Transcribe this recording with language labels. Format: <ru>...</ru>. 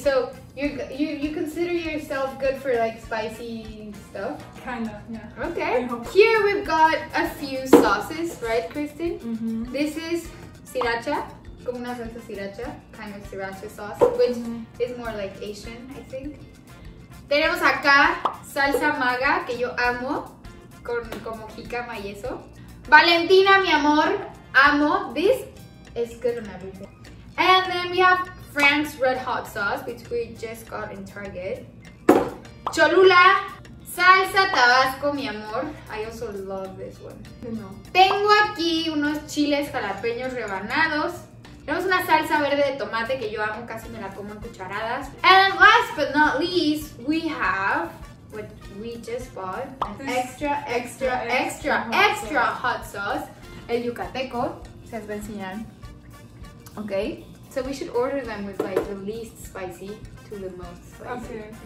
<en>So you consider yourself good for like spicy stuff? Kind of, yeah. Okay. Here we've got a few sauces, right, Kristen? Mm-hmm. This is sriracha.</en> <es>Como una salsa sriracha,</es> <en>kind of sriracha sauce, which is more like Asian, I think.</en> <es>Tenemos acá salsa maga, que yo amo, como jícama y eso.</es> <en>Valentina,</en> <es>mi amor, amo.</es> <en>This is good on everything. And then we have Frank's red hot sauce, which we just got in Target.</en> <es>Cholula, salsa tabasco, mi amor.</es> <en>I also love this one. No.</en> <es>Tengo aquí unos chiles jalapeños rebanados. Tenemos una salsa verde de tomate que yo amo, casi me la como en cucharadas.</es> <en>And last but not least, we have what we just bought. Extra hot sauce.</en> <es>El yucateco. Se les va a enseñar. Ok.</es> <en>So we should order them with like the least spicy to the most spicy.</en>